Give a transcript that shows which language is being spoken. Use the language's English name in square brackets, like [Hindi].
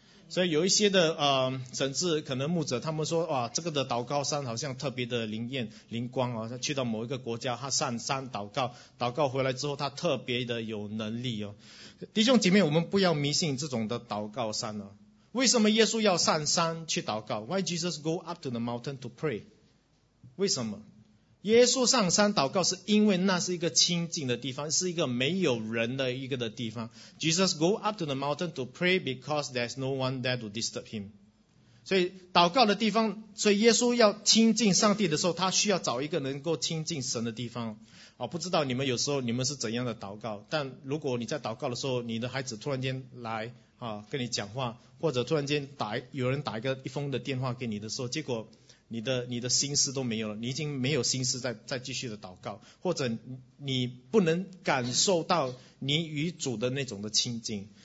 [Chinese] 所以有一些的甚至可能牧者他们说，哇，这个的祷告山好像特别的灵验灵光啊，去到某一个国家他上山祷告，祷告回来之后他特别的有能力哦。弟兄姐妹，我们不要迷信这种的祷告山哦。为什么耶稣要上山去祷告？ [English] Why Jesus go up to the mountain to pray? [Chinese] 为什么？耶稣上山祷告是因为那是一个清净的地方，是一个没有人的一个的地方。 [English] Jesus go up to the mountain to pray because there's no one there to disturb him. [Chinese] 所以祷告的地方，所以耶稣要亲近上帝的时候，他需要找一个能够亲近神的地方。哦，不知道你们有时候你们是怎样的祷告，但如果你在祷告的时候，你的孩子突然间来啊，跟你讲话，或者突然间有人打一封的电话给你的时候，结果你的心思都没有了，你已经没有心思再继续的祷告，或者你不能感受到你与主的那种的亲近。